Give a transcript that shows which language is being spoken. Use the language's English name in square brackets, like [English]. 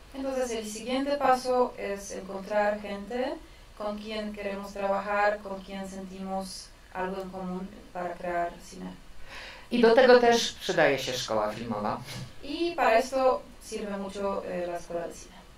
[Spanish] Entonces el siguiente paso es encontrar gente con quien queremos trabajar, con quien sentimos algo en común para crear cine. [Polish] I do tego też przydaje się szkoła filmowa. [Spanish] Y para esto sirve mucho la escuela de cine.